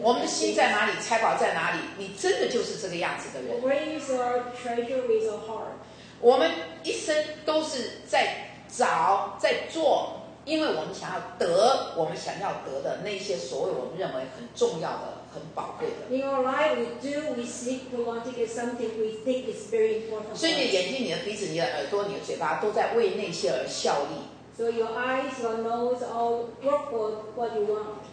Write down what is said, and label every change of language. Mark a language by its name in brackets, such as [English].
[Chinese] 我们的心在哪里，财宝在哪里，你真的就是这个样子的人。 [English] Where is our treasure with our heart? [Chinese] 我们一生都是在找在做，因为我们想要得我们想要得的那些所谓我们认为很重要的很宝贵的。 [English] In our life we do we seek we want to get something we think is very important. [Chinese] 所以你的眼睛你的鼻子你的耳朵你的嘴巴都在为那些而效力。 [English] So your eyes your nose all work for what you want.